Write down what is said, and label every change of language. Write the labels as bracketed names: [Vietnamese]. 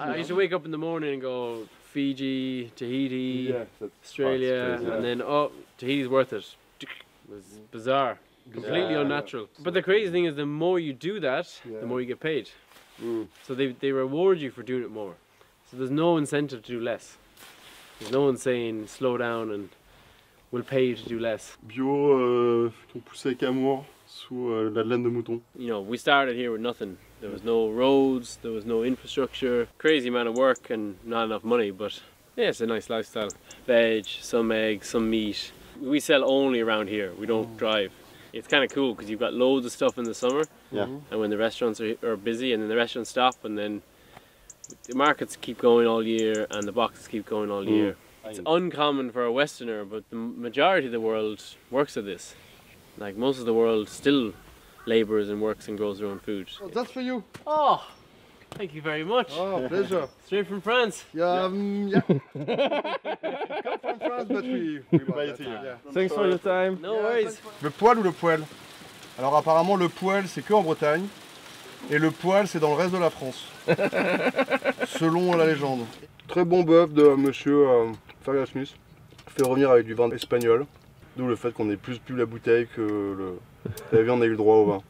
[English] I used to wake up in the morning and go, Fiji, Tahiti, yeah, Australia, and then, oh, Tahiti's worth it. It was bizarre, completely yeah, unnatural. Yeah. But the crazy thing is the more you do that, yeah. the more you get paid. Mm. So they reward you for doing it more. So there's no incentive to do less. There's no one saying, slow down and we'll pay you to do less. [French] Bio, qu'on poussait avec amour sous la laine de mouton. [English] You know, we started here with nothing. There was no roads, there was no infrastructure. Crazy amount of work and not enough money, but yeah, it's a nice lifestyle. Veg, some eggs, some meat. We sell only around here, we don't drive. It's kind of cool because you've got loads of stuff in the summer yeah. and when the restaurants are busy and then the restaurants stop and then the markets keep going all year and the boxes keep going all year. It's uncommon for a Westerner, but the majority of the world works at this. Like most of the world still labors and works and grows their own food. Oh, that's for you. Oh, thank you very much. Oh, pleasure. Straight from France. Yeah. Come from France, but we buy it here. Thanks for your time. No worries. [French] Le poêle ou le poêle? Alors apparemment, le poêle, c'est que en Bretagne. Et le poêle, c'est dans le reste de la France. Selon la légende. Très bon bœuf de monsieur Ferguson. Fait revenir avec du vin espagnol. D'où le fait qu'on ait plus bu la bouteille que le... La viande a eu le droit au vin.